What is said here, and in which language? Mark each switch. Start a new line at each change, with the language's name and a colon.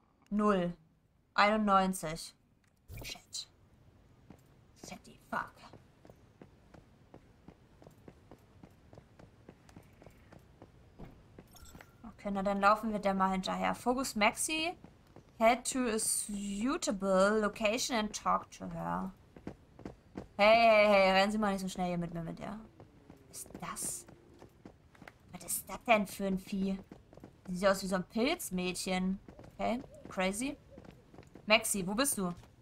English: 0. 91. Shit. Shitty fuck.
German: Okay, na dann laufen wir der mal hinterher.
English: Focus Maxi. Head to a suitable location and talk to her.
German: Hey, hey, hey, rennen Sie mal nicht so schnell hier mit mir mit, ja? Was ist das? Was ist das denn für ein Vieh? Sie sieht aus wie so ein Pilzmädchen. Okay, crazy. Maxi, wo bist du?